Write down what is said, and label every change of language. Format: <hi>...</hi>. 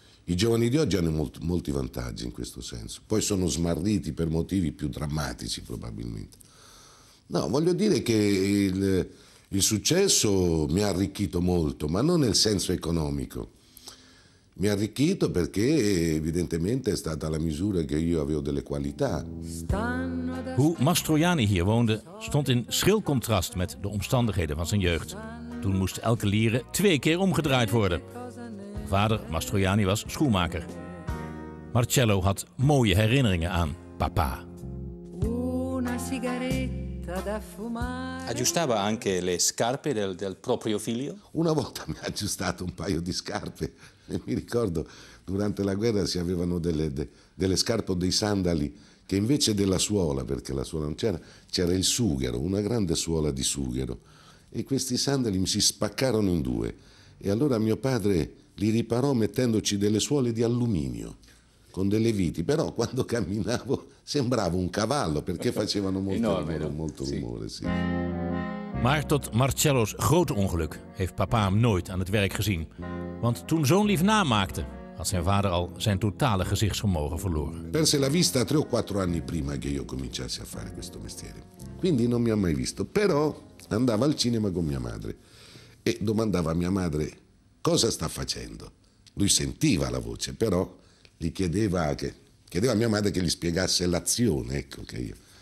<it>I giovani di oggi hanno molti vantaggi in questo senso. Poi sono smarriti per motivi più drammatici, probabilmente. No, voglio dire che il successo mi ha arricchito molto, ma non nel senso economico. Mi ha arricchito perché evidentemente è stata la misura che io avevo delle qualità.</it> <nl>Hoe Mastroianni hier woonde, stond in schril contrast met de omstandigheden van zijn jeugd. Toen moest elke lire twee keer omgedraaid worden. Vader Mastroianni was schoenmaker. Marcello had mooie herinneringen aan papa.</nl> <it>Una sigaretta da fumare. Aggiustava anche le scarpe del proprio figlio? Una volta mi ha aggiustato un paio di scarpe. E mi ricordo, durante la guerra si avevano delle scarpe o dei sandali che invece della suola, perché la suola non c'era, c'era il sughero, una grande suola di sughero. E questi sandali mi si spaccarono in due. E allora mio padre li riparò mettendoci delle suole di alluminio, con delle viti. Però quando camminavo sembravo un cavallo, perché facevano molto rumore. Sì.</it> <nl>Maar tot Marcello's grote ongeluk heeft papa hem nooit aan het werk gezien. Want toen zoon lief namaakte, had zijn vader al zijn totale gezichtsvermogen verloren.</nl> <it>Perse la vista 3 o 4 anni prima che io cominciassi a fare questo mestiere. Quindi non mi ha mai visto. Però andava al cinema con mia madre e domandava a mia madre cosa sta facendo. Lui sentiva la voce, però gli chiedeva a mia madre che gli spiegasse l'azione, ecco che io.</it>